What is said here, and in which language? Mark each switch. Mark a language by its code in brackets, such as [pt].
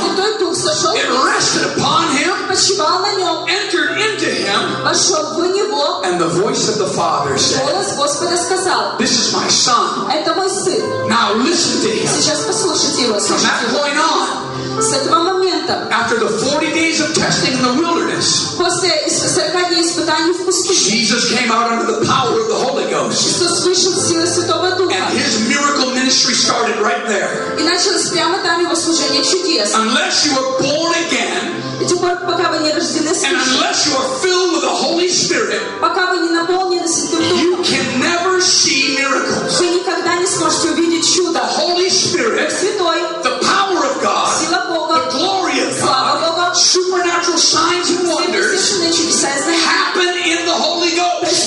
[en] It rested upon him, entered into him, and the voice of the Father said, "This is my Son. Now listen to him." From that point on, [ru] моментом. [en] After the 40 days of testing in the wilderness. [ru] После 40 дней испытаний в пустыне. [en] Jesus came out under the power of the Holy Ghost. [ru] Иисус вышел в силе Святого Духа. [en] And his miracle ministry started right there. [ru] И началось прямо там его служение чудес. [en] Unless you were born again. [ru] Пока вы не рождены свыше. [en] And unless you are filled with the Holy Spirit. [ru] Пока вы не наполнены Святым Духом. [en] You can never see miracles. [ru] Вы никогда не сможете увидеть чудо. [en] The Holy Spirit. [ru] Святой. [en] The power of God. [ru] Сила Бога. [en] The glory of God. [ru] Слава Бога. [en] Supernatural signs and wonders. [ru] Чудеса и знамения. [en] Happen in the Holy Ghost.